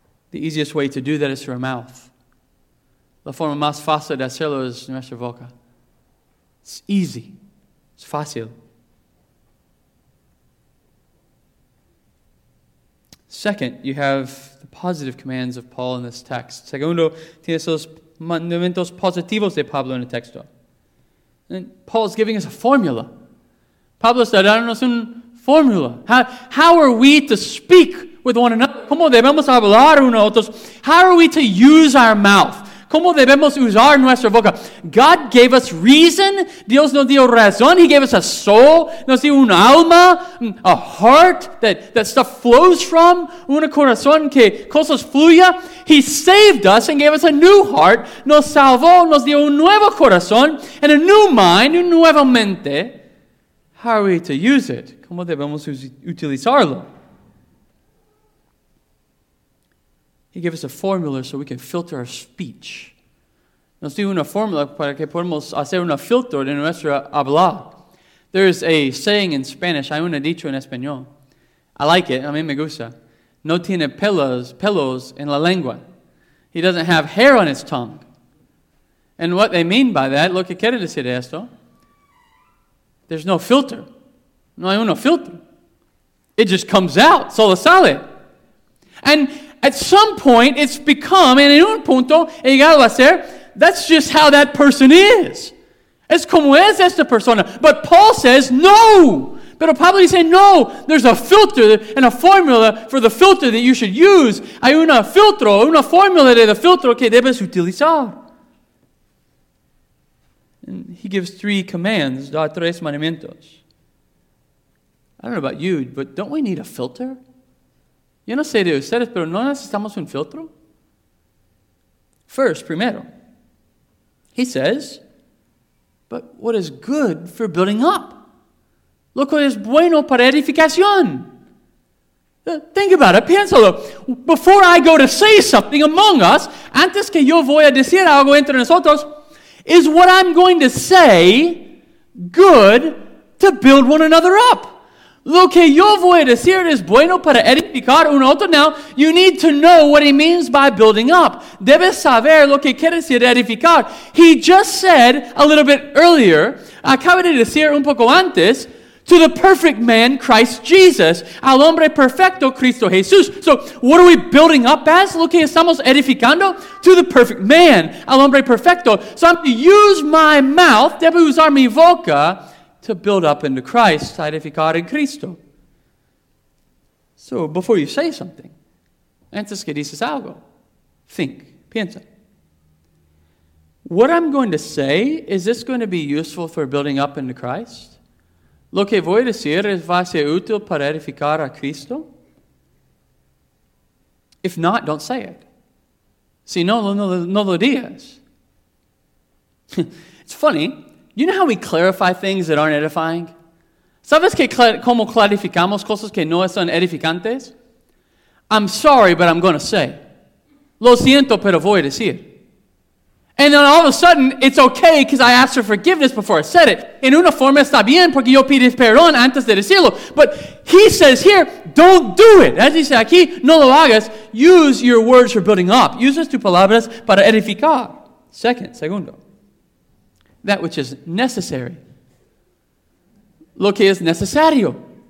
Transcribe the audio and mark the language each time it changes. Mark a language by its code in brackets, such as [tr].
[en] The easiest way to do that is through our mouth. [es] La forma más fácil de hacerlo es nuestra boca. [en] It's easy. It's fácil. Second, you have the positive commands of Paul in this text. [es] Segundo, tienes los mandamientos positivos de Pablo en el texto. [en] And Paul is giving us a formula. [es] Pablo está dándonos una fórmula. [en] How are we to speak with one another? [es] ¿Cómo debemos hablar unos a otros? [en] How are we to use our mouth? [es] ¿Cómo debemos usar nuestra boca? [en] God gave us reason. [es] Dios nos dio razón. [en] He gave us a soul. [es] Nos dio un alma, [en] a heart that stuff flows from. [es] Un corazón que cosas fluya. [en] He saved us and gave us a new heart. [es] Nos salvó. Nos dio un nuevo corazón [en] and a new mind, [es] una nueva mente. [en] How are we to use it? [es] ¿Cómo debemos utilizarlo? [en] He gave us a formula so we can filter our speech. [es] Nos dio una formula para que podamos hacer un filtro de nuestra habla. [en] There is a saying in Spanish, [es] hay un dicho en español. [en] I like it, [es] a mí me gusta. No tiene pelos en la lengua. [en] He doesn't have hair on his tongue. And what they mean by that, [es] lo que quiere decir esto, [en] there's no filter. [es] No hay uno filtro. [en] It just comes out. [es] Solo sale. [en] And at some point, it's become, and [es] en un punto, he llegado a ser, [en] that's just how that person is. [es] Es como es esta persona. [en] But Paul says, no. [es] Pero Pablo dice, no. [en] There's a filter and a formula for the filter that you should use. [es] Hay una filtro, una formula de la filtro que debes utilizar. [en] And he gives three commands, [es] da tres mandamientos. [en] I don't know about you, but don't we need a filter? [es] Yo no sé de ustedes, pero ¿no necesitamos un filtro? [en] First, primero, he says, but what is good for building up? [es] Lo que es bueno para edificación. [en] Think about it, [es] piénsalo. [en] Before I go to say something among us, [es] antes que yo voy a decir algo entre nosotros, [en] is what I'm going to say good to build one another up? [es] Lo que yo voy a decir es bueno para edificar un otro. [en] Now, you need to know what he means by building up. [es] Debes saber lo que quiere decir edificar. [en] He just said a little bit earlier, [es] acaba de decir un poco antes, [en] to the perfect man, Christ Jesus, [es] al hombre perfecto, Cristo Jesús. [en] So, what are we building up as? [es] Lo que estamos edificando? [en] To the perfect man, [es] al hombre perfecto. [en] So, I'm to use my mouth, [es] debo usar mi boca, [en] to build up into Christ, [es] edificar en Cristo. [en] So, before you say something, [es] antes que dices algo, [en] think, [es] piensa. [en] What I'm going to say, is this going to be useful for building up into Christ? [es] Lo que voy a decir es va a ser útil para edificar a Cristo. [en] If not, don't say it. [es] Si no, no lo digas. [en] It's funny. You know how we clarify things that aren't edifying? [es] ¿Sabes que cómo clarificamos cosas que no son edificantes? [en] I'm sorry, but I'm going to say. [es] Lo siento, pero voy a decir. [en] And then all of a sudden, it's okay because I asked for forgiveness before I said it. [es] En una forma está bien porque yo pide perdón antes de decirlo. [en] But he says here, don't do it. As he said [es] aquí, no lo hagas. [en] Use your words for building up. Use [es] tus palabras para edificar. Segundo. [en] That which is necessary. [es] Lo que es necesario.